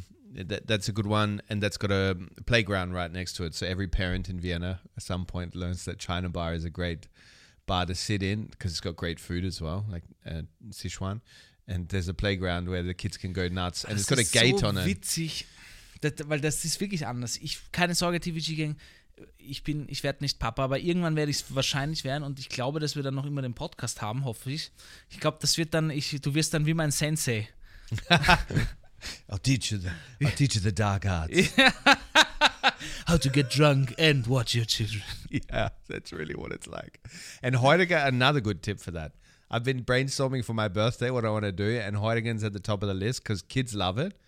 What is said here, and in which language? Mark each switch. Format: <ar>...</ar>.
<en>That's a good one, and that's got a playground right next to it. So every parent in Vienna at some point learns that China Bar is a great bar to sit in because it's got great food as well, like Sichuan. And there's a playground where the kids can go nuts, and</en> <de>das</de> <en>it's got a gate so on it.</en> <de>Das ist so witzig, weil das ist wirklich anders. Ich keine Sorge, TVG Gang. Ich werde nicht Papa, aber irgendwann werde ich es wahrscheinlich werden und ich glaube, dass wir dann noch immer den Podcast haben, hoffe ich. Ich glaube, das wird dann. Du wirst dann wie mein Sensei.</de> <en>I'll teach you the dark arts. How to get drunk and watch your children. Yeah, that's really what it's like. And Heurigen, another good tip for that. I've been brainstorming for my birthday what I want to do, and Heurigen's at the top of the list because kids love it.</en>